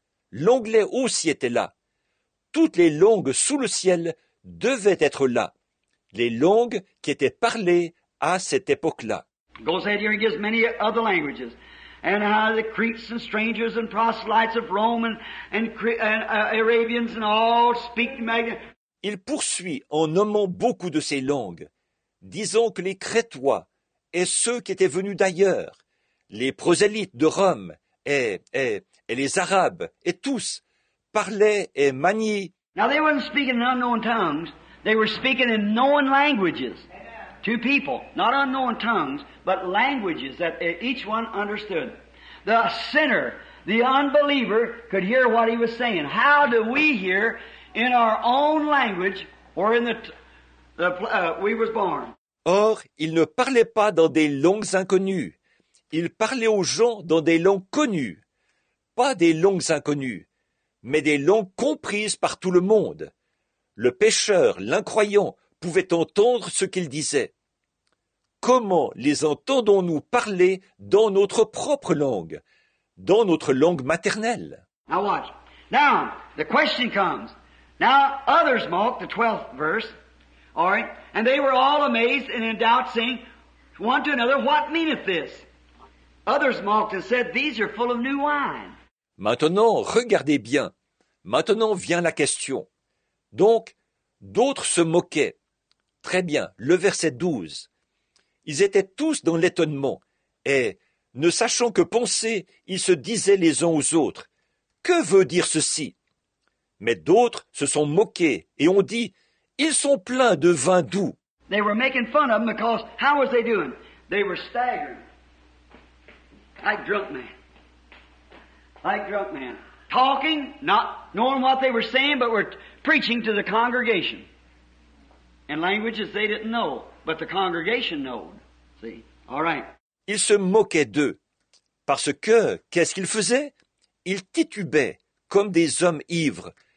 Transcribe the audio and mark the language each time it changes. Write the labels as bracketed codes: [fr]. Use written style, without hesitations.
[fr] L'anglais aussi était là. Toutes les langues sous le ciel devaient être là. Les langues qui étaient parlées à cette époque-là. [en] Il goes ahead here and gives many other languages. And how the Cretes and strangers and proselytes of Rome and Arabians and all speak Magna. [fr] Il poursuit en nommant beaucoup de ces langues, disant que les Crétois et ceux qui étaient venus d'ailleurs, les prosélytes de Rome et les Arabes et tous parlaient et maniaient. [en] Now they weren't speaking in unknown tongues, they were speaking in known languages. Two people, not unknown tongues, but languages that each one understood. The sinner, the unbeliever, could hear what he was saying. How do we hear in our own language or in the we was born? [fr] Or, il ne parlait pas dans des langues inconnues. Il parlait aux gens dans des langues connues. Pas des langues inconnues, mais des langues comprises par tout le monde. Le pécheur, l'incroyant, pouvait entendre ce qu'ils disaient. Comment les entendons-nous parler dans notre propre langue, dans notre langue maternelle? [en] Now watch. Now, the question comes. Now, others mocked the 12th verse, all right? And they were all amazed and in doubt, saying one to another, what meaneth this? Others mocked and said, these are full of new wine. [fr] Maintenant, regardez bien. Maintenant vient la question. Donc, d'autres se moquaient. Très bien, le verset 12. Ils étaient tous dans l'étonnement, et, ne sachant que penser, ils se disaient les uns aux autres, « Que veut dire ceci ?» Mais d'autres se sont moqués, et ont dit, « Ils sont pleins de vin doux. » [en] They were making fun of them because, how was they doing? They were staggering. Like drunk men. Talking, not knowing what they were saying, but were preaching to the congregation. In languages they didn't know, but the congregation knew. See? All right. [fr] Ils se moquaient d'eux, parce que, qu'est-ce qu'ils faisaient? Ils titubaient, comme des hommes ivres.